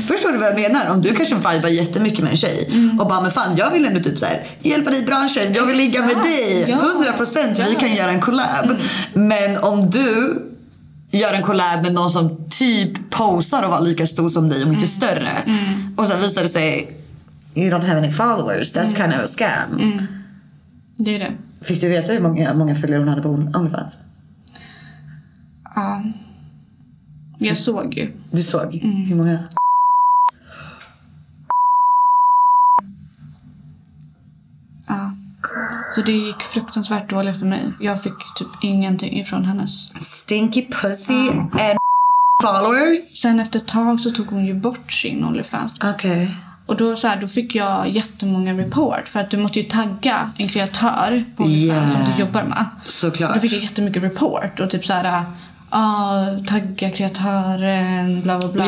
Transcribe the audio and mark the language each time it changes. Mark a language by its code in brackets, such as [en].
[sv] Förstår du vad jag menar? Om du kanske vibar jättemycket med en tjej. Mm. Och bara, men fan, jag vill ändå typ så här, hjälpa dig i branschen, jag vill ligga med dig. 100% vi kan göra en collab. Mm. Men om du gör en collab med någon som typ posar och var lika stor som dig, om inte större. Mm. [en] Och sen visar det sig, you don't have any followers. That's kind of a scam. [sv] Mm. Det är det. Fick du veta hur många följare hon hade på OnlyFans? Ja. Jag såg ju. Du såg? Hur många? Ja. Så det gick fruktansvärt dåligt för mig. Jag fick typ ingenting ifrån hennes. [en] Stinky pussy and followers? [sv] Sen efter ett tag så tog hon ju bort sin OnlyFans. Okej. Okay. Och då, så här, då fick jag jättemånga report. För att du måste ju tagga en kreatör på OnlyFans som du jobbar med. Såklart. Då fick jag jättemycket report. Och typ såhär, tagga kreatören, bla bla bla.